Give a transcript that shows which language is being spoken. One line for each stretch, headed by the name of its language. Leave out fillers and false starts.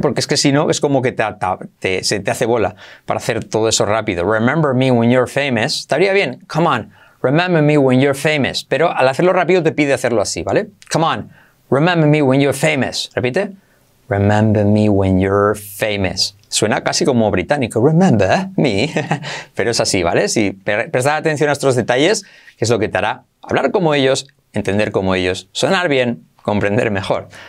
Spanish: Porque es que si no, es como que se te hace bola para hacer todo eso rápido.
English: Remember me when you're famous.
Spanish: Estaría bien.
English: Come on. Remember me when you're famous.
Spanish: Pero al hacerlo rápido te pide hacerlo así, ¿vale?
English: Come on. Remember me when you're famous.
Spanish: Repite.
English: Remember me when you're famous.
Spanish: Suena casi como británico.
English: Remember me.
Spanish: Pero es así, ¿vale? Si prestas atención a estos detalles, que es lo que te hará hablar como ellos, entender como ellos, sonar bien, comprender mejor.